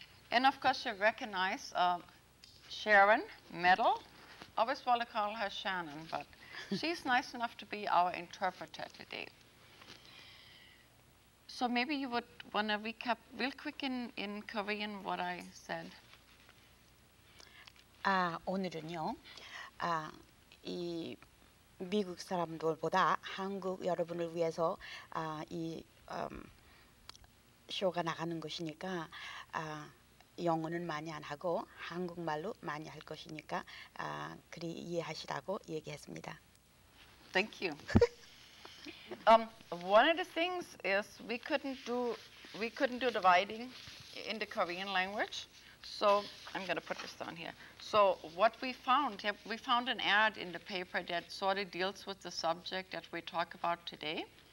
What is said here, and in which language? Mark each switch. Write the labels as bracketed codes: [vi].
[en] And of course you recognize Sharon Medal. Always want to call her Shannon, but she's nice enough to be our interpreter today. So maybe you would want to recap real quick in Korean what I said. [ko] 아, 오늘은요, 아, 이 미국 사람들보다 한국 여러분을 위해서 아, 이 쇼가 나가는 것이니까 아, 영어는 많이 안 하고 한국말로 많이 할 것이니까 아, 그리 이해하시라고 얘기했습니다. [en] Thank you. One of the things is we couldn't do the writing in the Korean language. So I'm going to put this down here. So what we found an ad in the paper that sort of deals with the subject that we talk about today.